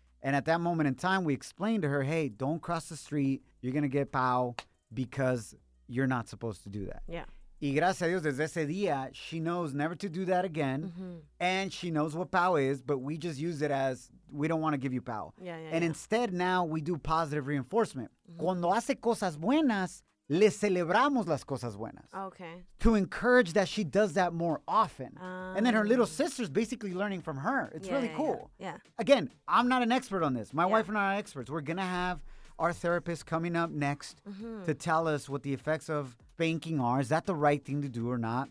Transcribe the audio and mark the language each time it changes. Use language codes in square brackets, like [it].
[en] And at that moment in time, we explained to her, hey, don't cross the street. You're going to get pow because you're not supposed to do that. Yeah. [es] Y gracias a Dios, desde ese día, [en] she knows never to do that again. Mm-hmm. And she knows what pow is, but we just use it as, we don't want to give you pow. Yeah, yeah. And yeah. instead, now we do positive reinforcement. Mm-hmm. [es] Cuando hace cosas buenas, le celebramos las cosas buenas. [en] Okay. To encourage that she does that more often. And then her little sister's basically learning from her. It's yeah, really yeah, cool. Yeah. yeah. Again, I'm not an expert on this. My yeah. wife and I are experts. We're going to have our therapist coming up next mm-hmm. to tell us what the effects of spanking are. Is that the right thing to do or not?